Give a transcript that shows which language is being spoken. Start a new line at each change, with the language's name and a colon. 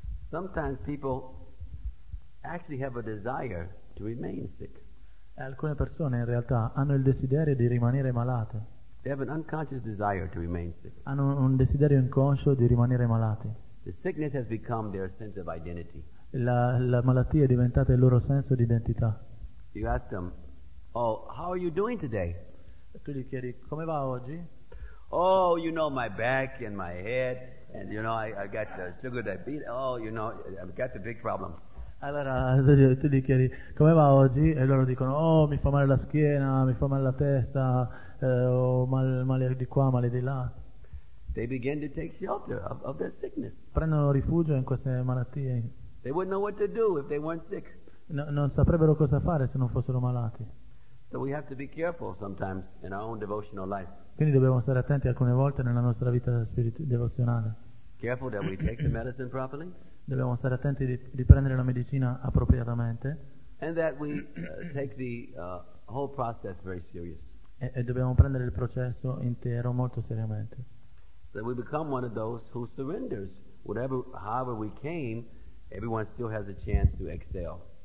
English: Sometimes people actually have a desire to remain sick.
Italian: Alcune persone in realtà hanno il desiderio di rimanere malate.
English: They have an unconscious desire to remain sick.
Italian: Hanno un desiderio inconscio di rimanere malati.
English: The sickness has become their sense of identity.
Italian: La malattia è diventata il loro senso di identità.
English: You ask them, "Oh, how are you doing today?"
Italian: Tu gli chiedi, "Come va oggi?"
English: "Oh, you know, my back and my head, and you know, I got the sugar diabetes. Oh, you know, I've got the big problem."
Italian: Allora, tu gli chiedi, "Come va oggi?" E loro dicono, "Oh, mi fa male la schiena, mi fa male la testa, ho male di qua, male di là."
English: They begin to take shelter of their sickness.
Italian: Prendono rifugio in queste malattie.
English: They wouldn't know what to do if they weren't sick.
Italian: Non saprebbero cosa fare se non fossero malati.
English: So we have to be careful sometimes in our own devotional life.
Italian: Quindi dobbiamo stare attenti alcune volte nella nostra vita devozionale.
English: Careful that we take the medicine properly.
Italian: Dobbiamo stare attenti di prendere la medicina appropriatamente.
English: And that we take the whole process very serious.
Italian: E dobbiamo prendere il processo intero molto seriamente.
English: That we become one of those who surrenders. Whatever, however we came, everyone still has a chance to excel.